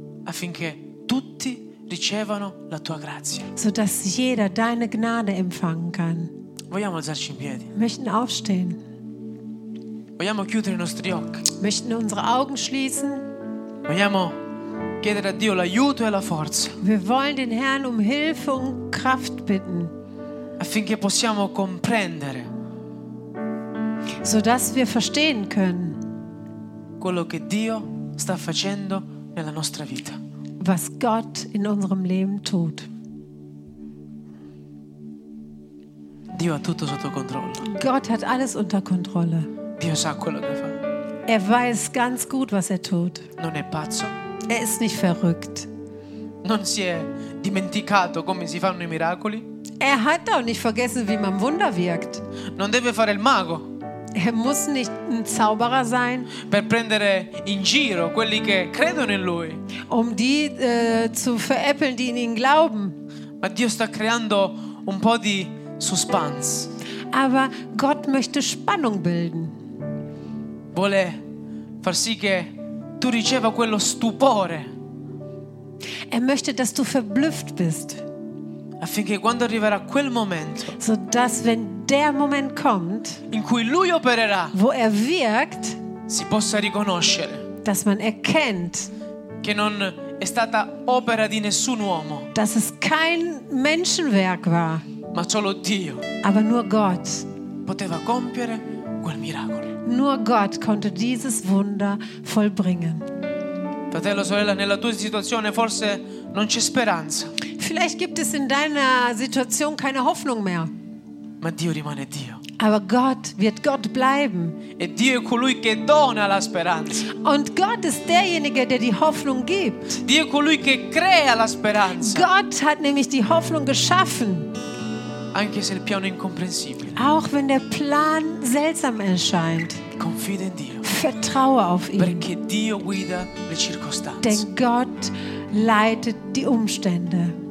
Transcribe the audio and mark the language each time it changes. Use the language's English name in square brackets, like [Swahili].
[Italian] Affinché tutti ricevano la tua grazia. [German] Sodass jeder deine Gnade empfangen kann. [Italian] Vogliamo alzarci in piedi. [German] Möchten aufstehen. [Italian] Vogliamo chiudere i nostri occhi. [German] Möchten unsere Augen schließen. [Italian] Vogliamo chiedere a Dio l'aiuto e la forza. [German] Wir wollen den Herrn um Hilfe und Kraft bitten. [Italian] Affinché possiamo comprendere. [German] So dass wir verstehen können. [Italian] Quello che Dio sta facendo nella nostra vita. [German] Was Gott in unserem Leben tut. [Italian] Dio ha tutto sotto controllo. [German] Gott hat alles unter Kontrolle. [Italian] Dio sa quello che fa. [German] Er weiß ganz gut, was er tut. [Italian] Non è pazzo. [German] Er ist nicht verrückt. [Italian] Non si è dimenticato come si fanno i miracoli. [German] Er hat auch nicht vergessen, wie man Wunder wirkt. [Italian] Non deve fare il mago. [German] Er muss nicht ein Zauberer sein. [Italian] Per prendere in giro quelli che credono in lui. [German] Um die zu veräppeln, die in ihn glauben. [Italian] Ma Dio sta creando un po' di suspense. [German] Aber Gott möchte Spannung bilden. [Italian] Vuole far sì che tu riceva quello stupore. [German] Er möchte, dass du verblüfft bist. [Italian] Affinché quando arriverà quel momento, [German] so dass wenn der Moment kommt, [Italian] in cui lui opererà, [German] wo er wirkt, [Italian] si possa riconoscere, [German] dass man erkennt, [Italian] che non è stata opera di nessun uomo, [German] dass es kein Menschenwerk war, [Italian] ma solo Dio, [German] aber nur Gott, [Italian] poteva compiere quel miracolo. [German] Nur Gott konnte dieses Wunder vollbringen. [Italian] Fratello, sorella, nella tua situazione forse non c'è speranza. [German] Vielleicht gibt es in deiner Situation keine Hoffnung mehr. [Italian] Ma Dio rimane Dio. [German] Aber Gott wird Gott bleiben. [Italian] E Dio è colui che dona la speranza. [German] Und Gott ist derjenige, der die Hoffnung gibt. [Italian] Dio è colui che crea la speranza. [German] Gott hat nämlich die Hoffnung geschaffen. [Italian] Anche se il piano è incomprensibile. [German] Auch wenn der Plan seltsam erscheint. [Italian] Confida in Dio. [German] Vertraue auf ihn. [Italian] Perché Dio guida le circostanze. [German] Denn Gott leitet die Umstände.